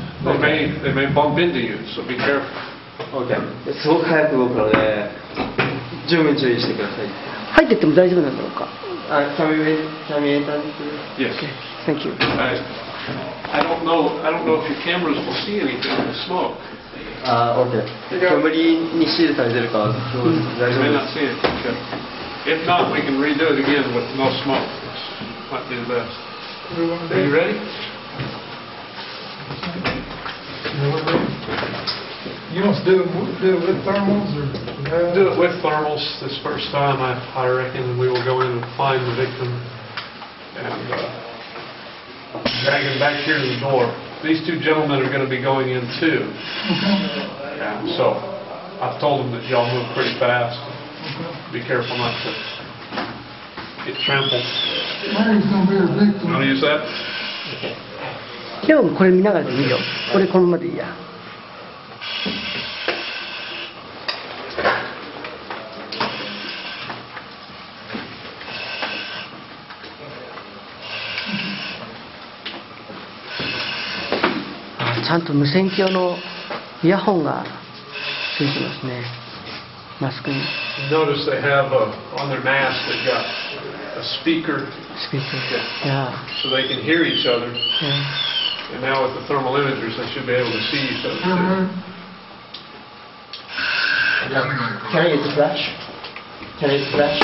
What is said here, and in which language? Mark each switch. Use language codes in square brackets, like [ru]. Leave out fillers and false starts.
[en] They may bump into you, so be careful. Okay. [ja] すごく速く動くので、十分注意してください。入ってっても大丈夫なんだろうか。 [en] Can we enter? Yes. Thank you. I don't know if your cameras will see anything in the smoke. Okay. [ja] 煙にシールされてるか、大丈夫です。 [en] You may not see it. Okay. If not, we can redo it again with no smoke. Might be the best. Are you ready? You must do it with thermals or... Do it with thermals this first time, I reckon. We will go in and find the victim and drag him back here to the door. These two gentlemen are going to be going in too. So I've told them that y'all move pretty fast. Be careful not to get trampled. Larry's going to be a victim. You want to use that? [ja] 今日もこれ見ながら見よう。これこのままでいいや。ちゃんと無線機用のイヤホンがついてますね、マスクに。 [en] Notice they have a, on their mask, they've got a speaker. Speaker, yeah. So they can hear each other. Yeah. And now with the thermal imagers, they should be able to see each other too. Can I get the flash? Can I get the flash?